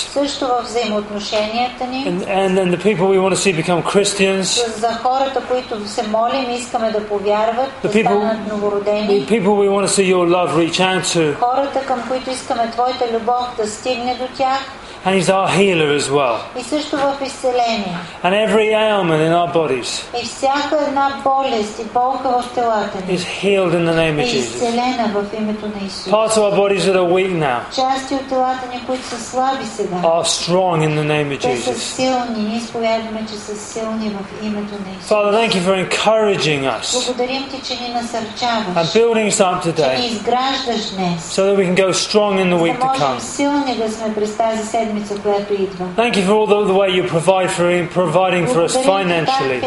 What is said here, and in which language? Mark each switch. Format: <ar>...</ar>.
<bg>също във взаимоотношенията ни,</bg> <en>and the people we want to see become Christians,</en> <bg>за хората, които се молим, искаме да повярват, да станат новородени,</bg> <en>the people we want to see your love reach out to,</en> <bg>хората, към които искаме твоята любов да стигне до тях,</bg> <en>and he's our healer as well,</en> <bg>и също във изцеление,</bg> <en>and every ailment in our bodies,</en> <bg>и всяка една болест и болка в телата ни,</bg> <en>is healed in the name of Jesus,</en> <bg>е изцелена в името на Исус.</bg> <en>Parts of our bodies that are weak now,</en> <bg>части от телата ни, които са слаби сега,</bg> <en>are strong in the name of Jesus.</en> <bg>Те са силни, ние изповядваме, че са силни в името на Исус.</bg> <en>Father, thank you for encouraging us,</en> <bg>благодарим ти, че ни насърчаваш,</bg> <en>and building us up today,</en> <bg>че ни изграждаш днес,</bg> <en>so that we can go strong in the week to come,</en> <bg>за можем силни да сме през тази седмица, която идва.</bg> <en>Thank you for all the way you provide for him, providing for us financially.</en>